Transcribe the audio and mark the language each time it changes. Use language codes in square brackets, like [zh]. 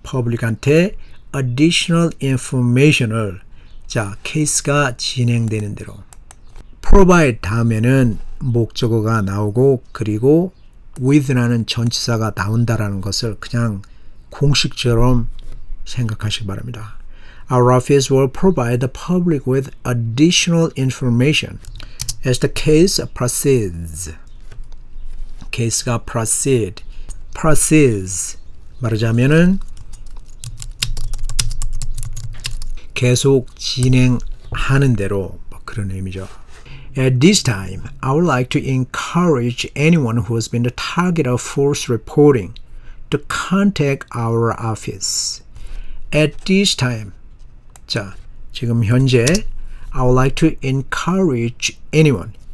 [ko] public한테 additional information을 자, 케이스가 진행되는 대로 provide 다음에는 목적어가 나오고 그리고 with라는 전치사가 나온다라는 것을 그냥 공식처럼 생각하시기 바랍니다. [en] Our office will provide the public with additional information as the case proceeds. [ko] Case가 [en] proceed. Proceeds. [ko] 말하자면은 계속 진행하는 대로 그런 의미죠. [en] At this time, I would like to encourage anyone who has been the target of false reporting to contact our office. At this time, [ko] 자, 지금 현재 [en] I would like to encourage anyone.